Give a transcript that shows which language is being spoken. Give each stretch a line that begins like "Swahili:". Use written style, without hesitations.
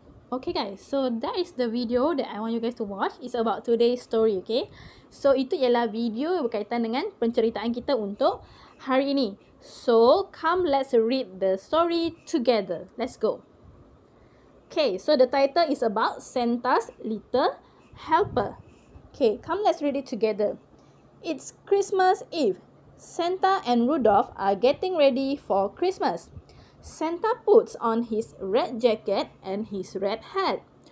English: Okay guys, so that is the video that I want you guys to watch. It's about today's story, okay?
Malay: So, itu ialah video berkaitan dengan penceritaan kita untuk hari ini.
English: So, come let's read the story together. Let's go. Okay, so the title is about Santa's Little Helper. Okay, come let's read it together. It's Christmas Eve. Santa and Rudolph are getting ready for Christmas. Santa puts on his red jacket and his red hat.